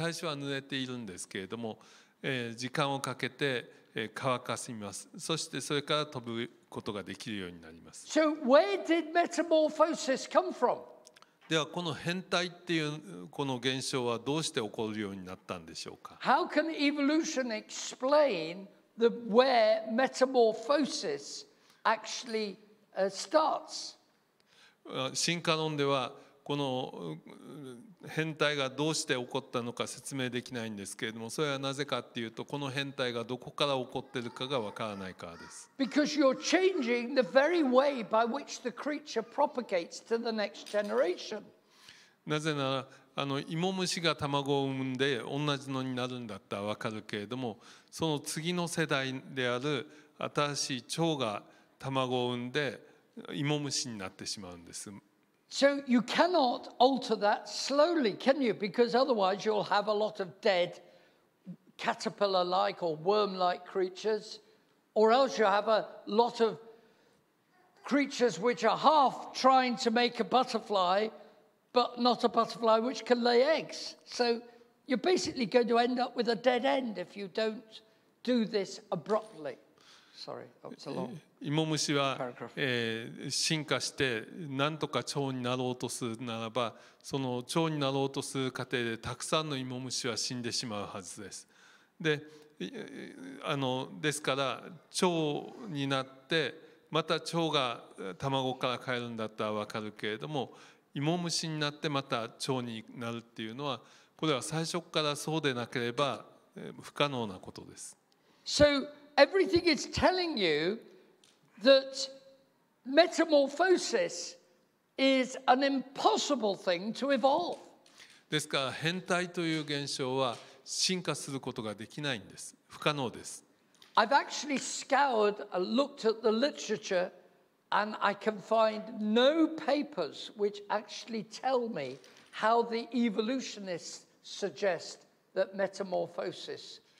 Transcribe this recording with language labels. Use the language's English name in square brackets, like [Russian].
[Japanese] 最初は濡れているんですけれども、時間をかけて乾かします。そしてそれから飛ぶ。ことができるようになります。 [English] So where did metamorphosis come from? [Japanese] ではこの変態っていうこの現象はどうして起こるようになったんでしょうか。 [English] How can evolution explain the where metamorphosis actually starts? [Japanese] 進化論ではこの変態がどうして起こったのか説明できないんですけれども、それはなぜかっていうと、この変態がどこから起こっているかがわからないからです。 [English] Because you're changing the very way by which the creature propagates to the next generation. [Japanese] なぜなら、あの芋虫が卵を産んで同じのになるんだったらわかるけれども、その次の世代である新しい蝶が卵を産んで芋虫になってしまうんです。 [English] So you cannot alter that slowly, can you? Because otherwise you'll have a lot of dead caterpillar-like or worm-like creatures, or else you'll have a lot of creatures which are half trying to make a butterfly, but not a butterfly which can lay eggs. So you're basically going to end up with a dead end if you don't do this abruptly. Sorry, that's a long paragraph. [Japanese] 芋虫は、進化して何とか蝶になろうとするならば、その蝶になろうとする過程でたくさんの芋虫は死んでしまうはずです。で、あのですから蝶になってまた蝶が卵からかえるんだったらわかるけれども、芋虫になってまた蝶になるっていうのは、これは最初からそうでなければ不可能なことです。 [English] So everything is telling youThat metamorphosis is an impossible thing to evolve. [Japanese] ですから変態という現象は進化することができないんです。不可能です。 [English] I've actually scoured and looked at the literature and I can find no papers which actually tell me how the evolutionists suggest that metamorphosis.